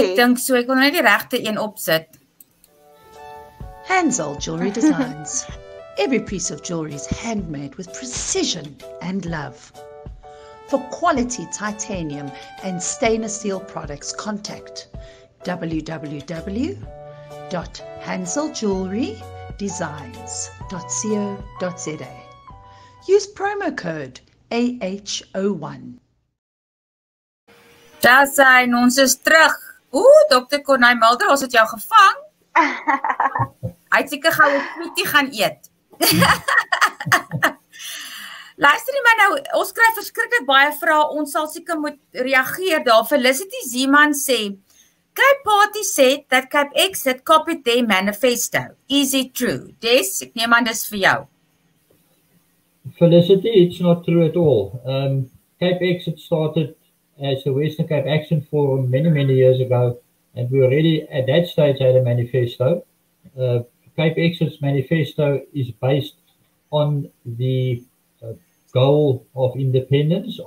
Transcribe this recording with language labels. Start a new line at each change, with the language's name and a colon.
Afrikaans: Ek dink so, ek wil net die regte een opsit.
English: Hansel Jewelry Designs. Every piece of jewelry is handmade with precision and love. For quality titanium and stainless steel products, contact www.hanseljewelrydesigns.co.za. Use promo code AHO1.
Afrikaans: Daar zijn ons is terug. Oeh, dokter Konijn Mulder, ons het jou gevang. Hy het seker gou 'n koekie gaan eet. Luister nie, maar nou, ons kry verskriklik baie vrae, ons sal seker moet reageer daar. Felicity Zeeman sê, Cape Party sê dat
English: Cape Exit copied their manifesto. Is it true?
Afrikaans: Des, ek neem aan, dis vir jou.
English: Felicity, it's not true at all. Cape Exit started as the Western Cape Action Forum many, many years ago, and we already at that stage had a manifesto. Cape Exit's manifesto is based on the goal of independence.